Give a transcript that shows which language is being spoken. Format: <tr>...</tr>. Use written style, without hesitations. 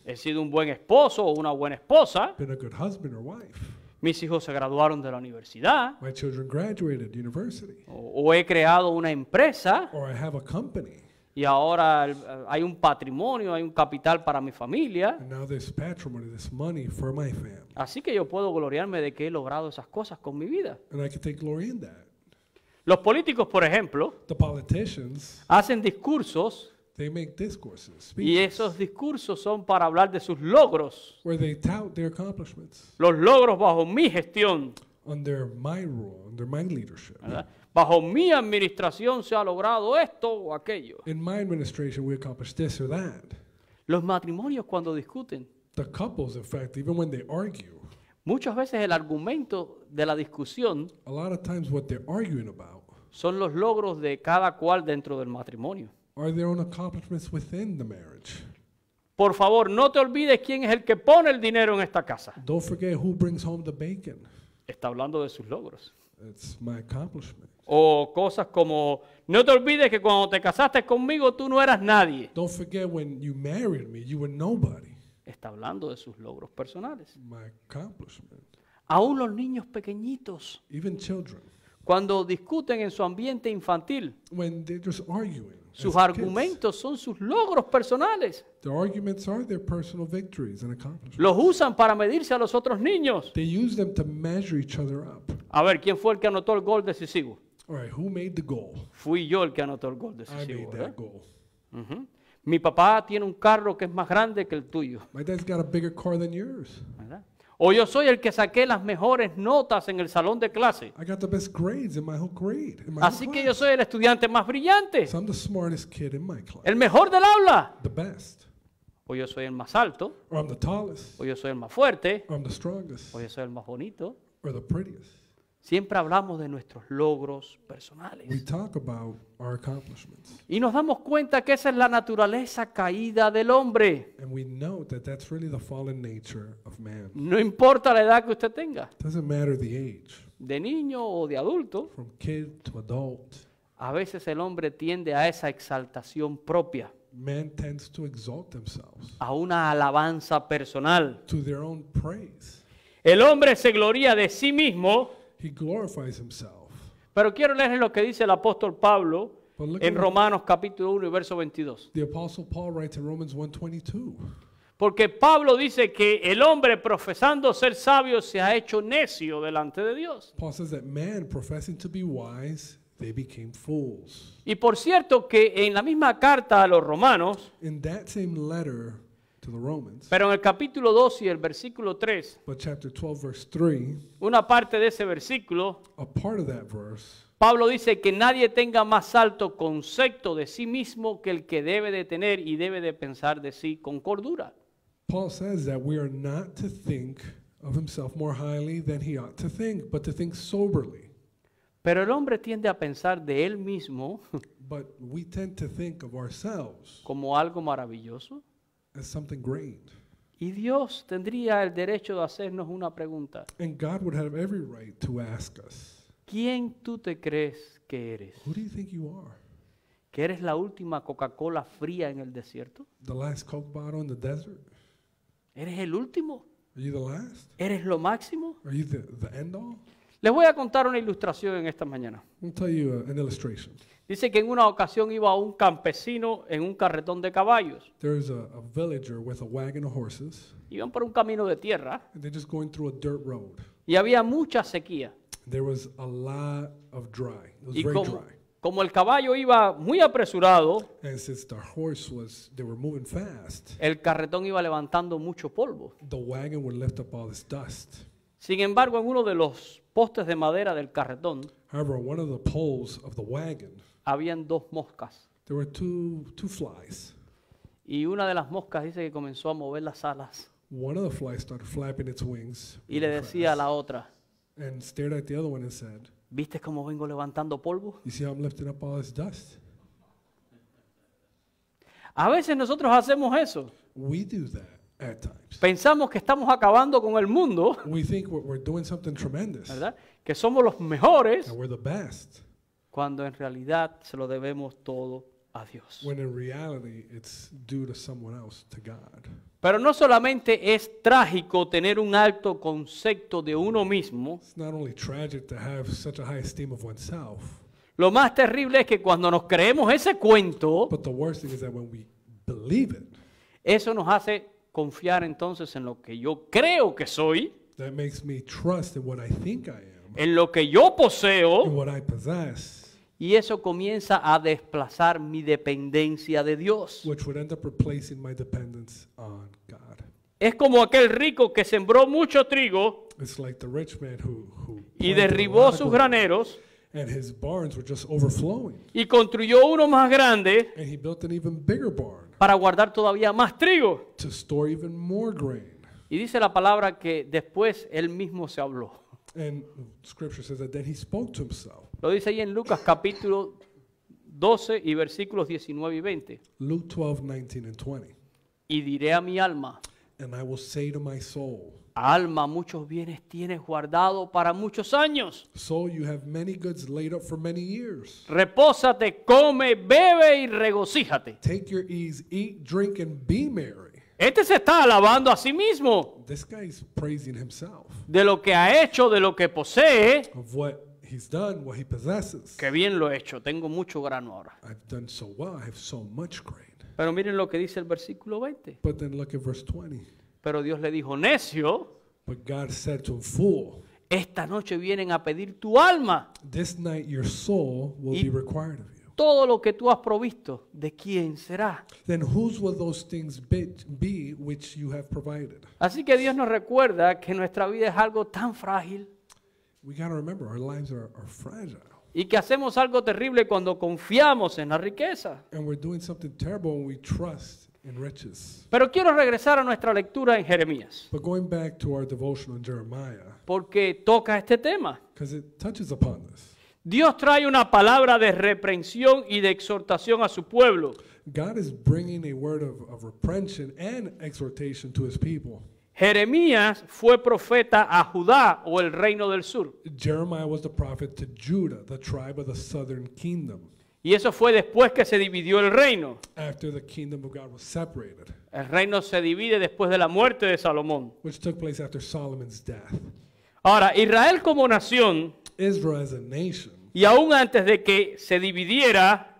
<es>He sido un buen esposo o una buena esposa.</es> <en>Been a good husband or wife.</en> <es>Mis hijos se graduaron de la universidad.</es> <en>My children graduated university.</en> <es>O he creado una empresa.</es> <en>Or I have a company.</en> <es>Y ahora hay un patrimonio, hay un capital para mi familia.</es> <en>Now this patrimony, this money for my family.</en> <es>Así que yo puedo gloriarme de que he logrado esas cosas con mi vida.</es> <en>And I can take glory in that.</en> <es>Los políticos, por ejemplo,</es> <en>the politicians,</en> <es>hacen discursos.</es> <en>They make discourses, speeches,</en> <es>y esos discursos son para hablar de sus logros.</es> <en>Where they tout their accomplishments.</en> <es>Los logros bajo mi gestión.</es> <en>Under my rule, under my leadership.</en> <es>¿Verdad? Bajo mi administración se ha logrado esto o aquello.</es> <en>In my administration we accomplished this or that.</en> <es>Los matrimonios cuando discuten.</es> <en>The couples, in fact, even when they argue.</en> <es>Muchas veces el argumento de la discusión.</es> <en>A lot of times what they're arguing about.</en> <es>Son los logros de cada cual dentro del matrimonio.</es> <en>Are their own accomplishments within the marriage.</en> <es>Por favor, no te olvides quién es el que pone el dinero en esta casa.</es> <en>Don't forget who brings home the bacon.</en> <es>Está hablando de sus logros.</es> <en>It's my accomplishment.</en> <es>O cosas como, no te olvides que cuando te casaste conmigo, tú no eras nadie.</es> <en>Don't forget when you married me, you were nobody.</en> <es>Está hablando de sus logros personales.</es> <en>My accomplishment.</en> <es>Aún los niños pequeñitos.</es> <en>Even children.</en> <es>Cuando discuten en su ambiente infantil.</es> <en>When they're just arguing.</en> <es>Sus argumentos son sus logros personales.</es> <en>Their arguments are their personal victories and accomplishments.</en> <es>Los usan para medirse a los otros niños.</es> <en>They use them to measure each other up.</en> <es>A ver, ¿quién fue el que anotó el gol decisivo?</es> <en>All right, who made the goal?</en> <es>Fui yo el que anotó el gol decisivo.</es> <en>I made that goal. Uh-huh.</en> <es>Mi papá tiene un carro que es más grande que el tuyo.</es> <en>My dad's got a bigger car than yours.</en> <es>O yo soy el que saqué las mejores notas en el salón de clase.</es> <en>I got the best grades in my whole grade. In my</en> <es>Así que yo soy el estudiante más brillante.</es> <en>So I'm the smartest kid in my class.</en> <es>El mejor del aula.</es> <en>The best.</en> <es>O yo soy el más alto.</es> <en>Or I'm the tallest.</en> <es>O yo soy el más fuerte.</es> <en>Or I'm the strongest.</en> <es>O yo soy el más bonito.</es> <en>Or the prettiest.</en> <es>Siempre hablamos de nuestros logros personales.</es> <en>We talk about our accomplishments.</en> <es>Y nos damos cuenta que esa es la naturaleza caída del hombre.</es> <en>And we know that that's really the fallen nature of man.</en> <es>No importa la edad que usted tenga.</es> <en>Doesn't matter the age.</en> <es>De niño o de adulto.</es> <en>From kid to adult.</en> <es>A veces el hombre tiende a esa exaltación propia.</es> <en>Man tends to exalt themselves.</en> <es>A una alabanza personal.</es> <en>To their own praise.</en> <es>El hombre se gloria de sí mismo.</es> <en>He glorifies himself.</en> <es>Pero quiero leer lo que dice el apóstol Pablo en Romanos capítulo 1 y verso 22.</es> <en>The apostle Paul writes in Romans 1:22.</en> <es>Porque Pablo dice que el hombre profesando ser sabio se ha hecho necio delante de Dios.</es> <en>Paul says that man professing to be wise, they became fools.</en> <es>Y por cierto que en la misma carta a los Romanos,</es> <en>in that same letter to the Romans.</en> <es>Pero en el capítulo 2 y el versículo 3,</es> <en>but chapter 12, verse 3,</en> <es>una parte de ese versículo,</es> <en>a part of that verse,</en> <es>Pablo dice que nadie tenga más alto concepto de sí mismo que el que debe de tener y debe de pensar de sí con cordura.</es> <en>Paul says that we are not to think of himself more highly than he ought to think, but to think soberly.</en> <es>Pero el hombre tiende a pensar de él mismo</es> <en>but we tend to think of ourselves</en> <es>como algo maravilloso.</es> <en>As something great.</en> <es>Y Dios tendría el derecho de hacernos una pregunta.</es> <en>And God would have every right to ask us.</en> <es>¿Quién tú te crees que eres?</es> <en>Who do you think you are?</en> <es>¿Que eres la última Coca-Cola fría en el desierto?</es> <en>The last Coke bottle in the desert.</en> <es>¿Eres el último?</es> <en>Are you the last?</en> <es>¿Eres lo máximo?</es> <en>Are you the end all?</en> <es>Les voy a contar una ilustración en esta mañana.</es> <en>I'll tell you an illustration.</en> <es>Dice que en una ocasión iba un campesino en un carretón de caballos.</es> <en>There's a villager with a wagon of horses.</en> <es>Iban por un camino de tierra.</es> <en>And they're just going through a dirt road.</en> <es>Y había mucha sequía.</es> <en>There was a lot of dry. It was y very como, dry.</en> <es>Como el caballo iba muy apresurado.</es> <en>And since the horse was, they were moving fast.</en> <es>El carretón iba levantando mucho polvo.</es> <en>The wagon would lift up all this dust.</en> <es>Sin embargo, en uno de los postes de madera del carretón.</es> <en>However, one of the poles of the wagon.</en> <es>Habían dos moscas.</es> <en>There were two flies.</en> <es>Y una de las moscas dice que comenzó a mover las alas.</es> <en>One of the flies started flapping its wings.</en> <es>Y le decía a la otra.</es> <en>And stared at the other one and said.</en> <es>¿Viste cómo vengo levantando polvo?</es> <en>You see how I'm lifting up all this dust?</en> <es>A veces nosotros hacemos eso.</es> <en>We do that. At times.</en> <es>Pensamos que estamos acabando con el mundo.</es> <en>We think we're doing something tremendous.</en> <es>¿Verdad? Que somos los mejores.</es> <en>We're the best.</en> <es>Cuando en realidad se lo debemos todo a Dios.</es> <en>When in reality it's due to someone else, to God.</en> <es>Pero no solamente es trágico tener un alto concepto de uno mismo.</es> <en>It's not only tragic to have such a high esteem of oneself.</en> <es>Lo más terrible es que cuando nos creemos ese cuento,</es> <en>but the worst thing is that when we believe it,</en> <es>eso nos hace confiar entonces en lo que yo creo que soy,</es> <en>that makes me trust in what I think I am,</en> <es>en lo que yo poseo,</es> <en>in what I possess,</en> <es>y eso comienza a desplazar mi dependencia de Dios.</es> <en>Which would end up replacing my dependence on God.</en> <es>Es como aquel rico que sembró mucho trigo,</es> <en>it's like the rich man who</en> <es>y derribó sus graneros,</es> <en>and his barns were just overflowing,</en> <es>y construyó uno más grande,</es> <en>and he built an even bigger barn,</en> <es>para guardar todavía más trigo,</es> <en>to store even more grain.</en> <es>Y dice la palabra que después él mismo se habló.</es> <en>And scripture says that then he spoke to himself.</en> <es>Lo dice ahí en Lucas capítulo 12 y versículos 19 y 20.</es> <en>Luke 12, 19 and 20.</en> <es>Y diré a mi alma,</es> <en>and I will say to my soul,</en> <es>alma, muchos bienes tienes guardado para muchos años.</es> <en>Soul, you have many goods laid up for many years.</en> <es>Repósate, come, bebe y regocíjate.</es> <en>Take your ease, eat, drink and be merry.</en> <es>Este se está alabando a sí mismo.</es> <en>This guy is praising himself.</en> <es>De lo que ha hecho, de lo que posee.</es> <en>Of what he's done, what he possesses.</en> <es>Qué bien lo he hecho, tengo mucho grano ahora.</es> <en>I've done so well, I have so much grain.</en> <es>Pero miren lo que dice el versículo 20.</es> <en>But then look at verse 20.</en> <es>Pero Dios le dijo, necio.</es> <en>But God said to him, fool.</en> <es>Esta noche vienen a pedir tu alma.</es> <en>This night your soul will be required of you.</en> <es>Todo lo que tú has provisto, ¿de quién será?</es> <en>Then whose will those things be which you have provided?</en> <es>Así que Dios nos recuerda que nuestra vida es algo tan frágil.</es> <en>We got to remember our lives are fragile.</en> <es>Y que hacemos algo terrible cuando confiamos en la riqueza.</es> <en>And we're doing something terrible when we trust in riches.</en> <es>Pero quiero regresar a nuestra lectura en Jeremías.</es> <en>But going back to our devotion on Jeremiah.</en> <es>Porque toca este tema.</es> <en>Because it touches upon this.</en> <es>Dios trae una palabra de reprensión y de exhortación a su pueblo.</es> <en>God is bringing a word of reprension and exhortation to his people.</en> <es>Jeremías fue profeta a Judá o el reino del sur.</es> <en>Jeremiah was the prophet to Judah, the tribe of the southern kingdom.</en> <es>Y eso fue después que se dividió el reino.</es> <en>After the kingdom of God was separated.</en> <es>El reino se divide después de la muerte de Salomón.</es> <en>Which took place after Solomon's death.</en> <es>Ahora, Israel como nación,</es> <en>Israel as a nation,</en> <es>y aún antes de que se dividiera,</es>